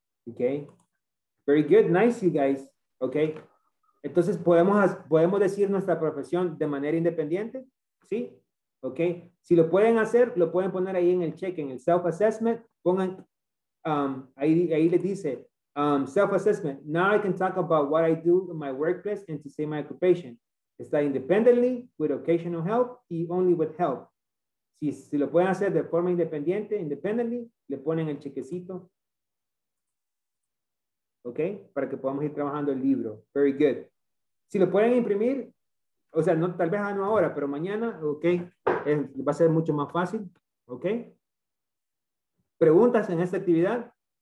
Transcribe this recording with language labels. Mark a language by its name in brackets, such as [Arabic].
[English] Okay, very good, nice, you guys, okay. [Spanish] Entonces, ¿podemos decir nuestra profesión de manera independiente? ¿Sí? ¿Ok? Si lo pueden hacer, lo pueden poner ahí en el check, en el self-assessment. Pongan, ahí les dice, self-assessment. [English] Now I can talk about what I do in my workplace and to say my occupation. Study independently, with occasional help, y only with help. [Spanish] Si lo pueden hacer de forma independiente, independently, le ponen el chequecito. ¿Ok? Para que podamos ir trabajando el libro. [English] Very good. [Spanish] Si lo pueden imprimir, o sea, no, tal vez no ahora, pero mañana, ¿ok? Va a ser mucho más fácil. ¿Ok? ¿Preguntas en esta actividad?